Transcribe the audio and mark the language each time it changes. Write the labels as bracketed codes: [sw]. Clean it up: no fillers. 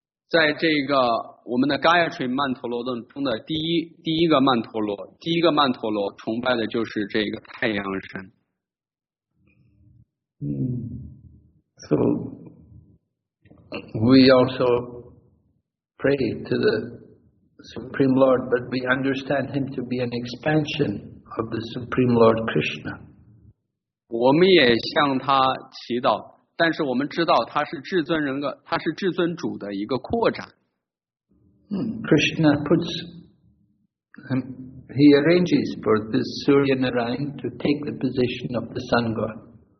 [zh] 在这个我们的 Gayatri 曼陀罗中的第一个曼陀罗崇拜的就是这个太阳神。 [en] So we also pray to the Supreme Lord, but we understand him to be an expansion of the Supreme Lord Krishna. [zh] 我们也向他祈祷，但是我们知道他是至尊人格，他是至尊主的一个扩展。 [en] Krishna puts, he arranges for this Surya Narayan to take the position of the sun god.